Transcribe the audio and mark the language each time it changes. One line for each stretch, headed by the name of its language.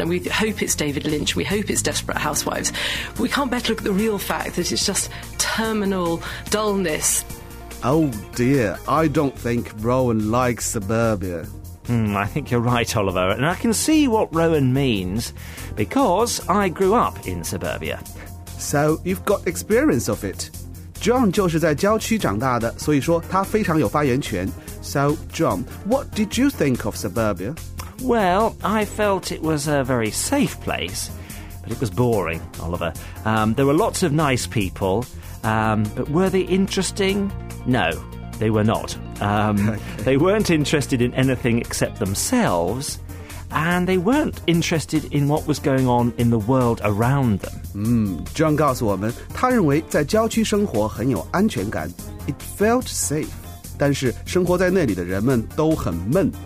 English: And we hope it's David Lynch, we hope it's Desperate Housewives. But we can't better look at the real fact that it's just terminal dullness. Oh dear, I don't think Rowan likes suburbia. I think you're right, Oliver. And I can see what Rowan means, because I grew up in suburbia. So you've got experience of it.
Chinese: John 就是在郊区长大的，所以说他非常有发言权。
English: So John, what did you think of suburbia? Well, I felt it was a very safe place, but it was boring, Oliver. There were lots of nice people, but were they interesting? No, they were not. They weren't interested in anything except themselves, and they weren't interested in what was going on in the world around them.
Chinese: John 告诉我们，他认为在郊区生活很有安全感。
English: It felt safe.
Chinese: 但是生活在那里的人们都很闷。